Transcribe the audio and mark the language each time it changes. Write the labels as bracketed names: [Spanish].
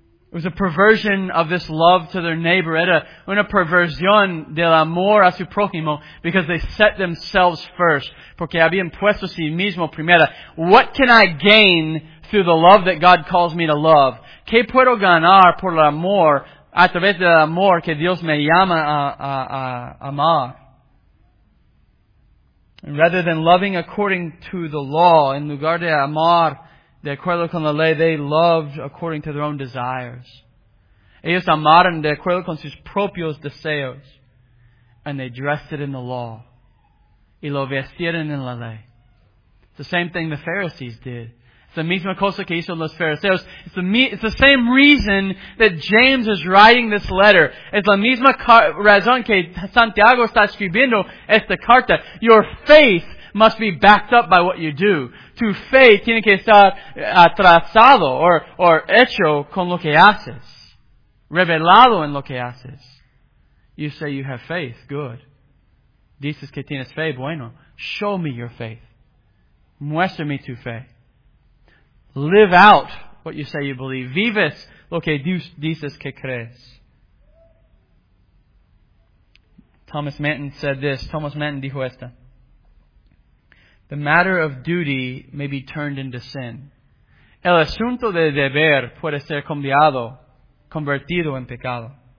[English] It was a perversion of this love to their neighbor. [Spanish] Era una perversión del amor a su prójimo [English] because they set themselves first. [Spanish] Porque habían puesto sí mismo primero. [English] What can I gain through the love that God calls me to love? [Spanish] ¿Qué puedo ganar por el amor a través del amor que Dios me llama a amar? [English] And rather than loving according to the law, [Spanish] en lugar de amar de acuerdo con la ley, [English] they loved according to their own desires. [Spanish] Ellos amaron de acuerdo con sus propios deseos. [English] And they dressed it in the law. [Spanish] Y lo vestieron en la ley. [English] It's the same thing the Pharisees did. It's the [Spanish] misma cosa que hizo los [English] Pharisees. It's the same reason that James is writing this letter. [Spanish] It's la misma razón que Santiago está escribiendo esta carta. [English] Your faith must be backed up by what you do. [Spanish] Tu fe tiene que estar atrasado or hecho con lo que haces. Revelado en lo que haces. [English] You say you have faith. Good. [Spanish] Dices que tienes fe. Bueno. [English] Show me your faith. [Spanish] Muéstrame tu fe. [English] Live out what you say you believe. [Spanish] Vives lo que dices que crees. [English] Thomas Manton said this. [Spanish] Thomas Manton dijo esta. [English] The matter of duty may be turned into sin. [Spanish] El asunto de deber puede ser cambiado, convertido en pecado.